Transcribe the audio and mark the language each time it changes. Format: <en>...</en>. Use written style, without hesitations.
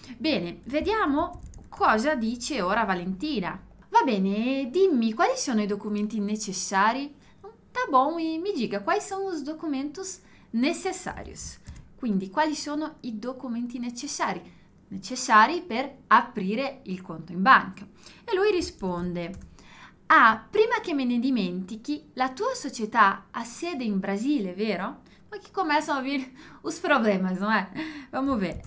<it>Bene, vediamo cosa dice ora Valentina. Va bene, dimmi quali sono i documenti necessari?</it> <pt>Tá bom,</pt> <it>e mi dica</it> <pt>quais são os documentos necessários.</pt> <it>Quindi, quali sono i documenti necessari? Necessari per aprire il conto in banca. E lui risponde: ah, prima che me ne dimentichi, la tua società ha sede in Brasile, vero? Ma che cominciano a venire i problemi, non è?</it> <pt>Vamos ver.</pt>